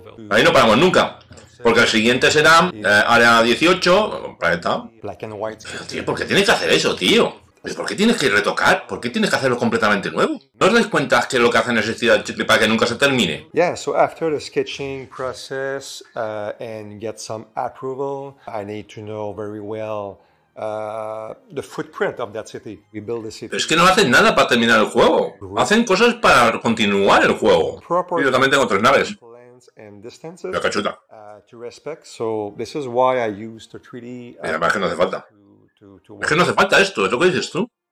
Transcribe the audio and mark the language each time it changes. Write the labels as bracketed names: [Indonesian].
[Spanish] Ahí no paramos nunca, porque el siguiente será área 18, planeta. Pero, tío, ¿por qué tienes que hacer eso, tío? ¿Por qué tienes que retocar? ¿Por qué tienes que hacerlo completamente nuevo? ¿No os dais cuenta que lo que hacen es estirar el chicle para que nunca se termine? [English] Yeah, so after the sketching process and get some approval, I need to know very well the footprint of that city. We build the city. [Spanish] Pero es que no hacen nada para terminar el juego. Hacen cosas para continuar el juego. [English] Proper. [Spanish] Yo también tengo tres naves. [English] And distances. [Spanish] La cachuta. [English] To respect. So this is why I use the treaty. [Spanish] Y además que no hace falta. Es que no hace falta esto, es lo que dices tú.